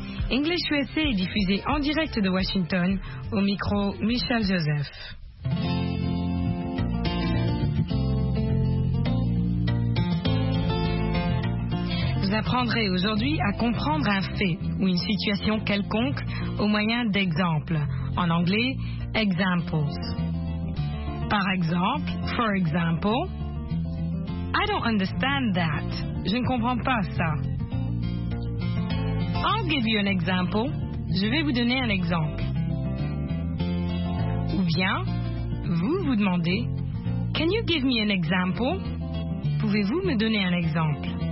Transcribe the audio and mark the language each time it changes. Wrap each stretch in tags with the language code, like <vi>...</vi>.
<fr>English USA est diffusé en direct de Washington, au micro Michel Joseph. Vous apprendrez aujourd'hui à comprendre un fait ou une situation quelconque au moyen d'exemples. En anglais, examples. Par exemple,</fr> <en>for example, I don't understand that.</en> <fr>Je ne comprends pas ça.</fr> <en>I'll give you an example.</en> <fr>Je vais vous donner un exemple. Ou bien, vous vous demandez,</fr> <en>can you give me an example?</en> <fr>Pouvez-vous me donner un exemple?</fr>